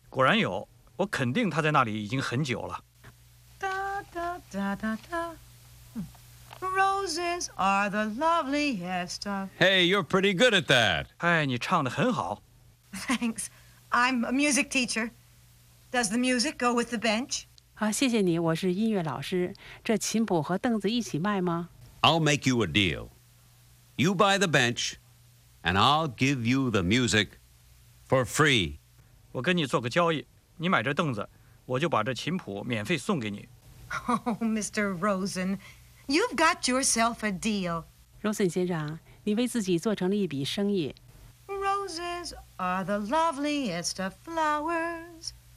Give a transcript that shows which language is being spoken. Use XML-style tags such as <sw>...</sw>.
<zh>果然有。我肯定他在那里已经很久了。</zh> <en>哒哒哒哒哒 ，Roses are the loveliest of. Hey, you're pretty good at that.</en> <zh>哎，你唱得很好。</zh> <en>Thanks, I'm a music teacher. Does the music go with the bench?</en> <zh>好，谢谢你，我是音乐老师。这琴谱和凳子一起卖吗</zh> <en>？I'll make you a deal. You buy the bench, and I'll give you the music for free.</en> <zh>我跟你做个交易。你买这凳子，我就把这琴谱免费送给你。</zh> <en>Oh, Mr. Rosen, you've got yourself a deal.</en> <zh>Rosen 先生，你为自己做成了一笔生意。</zh> <en>Roses are the loveliest of flowers.</en>